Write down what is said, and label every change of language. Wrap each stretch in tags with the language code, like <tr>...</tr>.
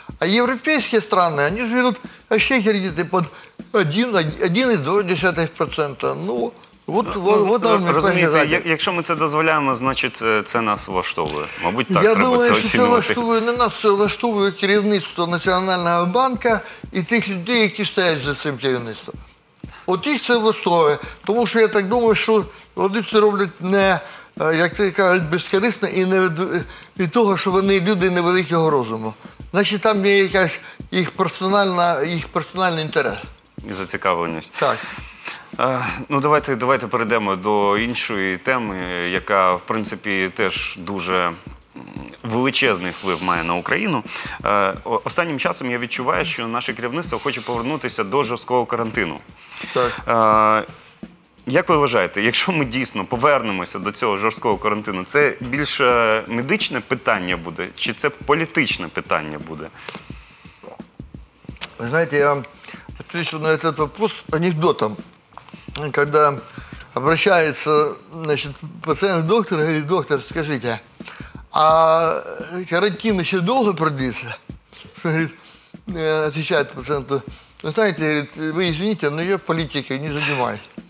<ru>А европейские страны, они же берут вообще кредиты под 1,2%. Ну, вот, ну, вот, вот вам и показать. Если мы это позволяем, значит, это нас влаштовывает.</ru> <uk>Мабуть, так.</uk> <ru>Я думаю, что это влаштовывает не нас, это влаштовывает</ru> <uk>керівництво</uk> <ru>Национального банка и тех людей, которые стоят за этим</ru> <uk>керівництвом. От їх це вистовує, тому що я так думаю, що вони це роблять не, як ти кажуть, безкорисно і не від того, що вони люди невеликого розуму. Значить, там є якась їх персональний інтерес. І зацікавленість. Так. Ну, давайте перейдемо до іншої теми, яка, в принципі, теж дуже величезний вплив має на Україну. Останнім часом я відчуваю, що наше керівництво хоче повернутися до жорсткого карантину. Так. Як ви вважаєте, якщо ми дійсно повернемося до цього жорсткого карантину, це більше медичне питання буде, чи це політичне питання буде?</uk> <ru>Вы знаете, я отвечу на этот вопрос анекдотом. Когда обращается, значит, пациент к доктору, говорит: доктор, скажите, а карантин еще долго продлится? Говорит, отвечает пациенту: вы знаете, говорит, вы извините, но я в политике не занимаюсь.</ru>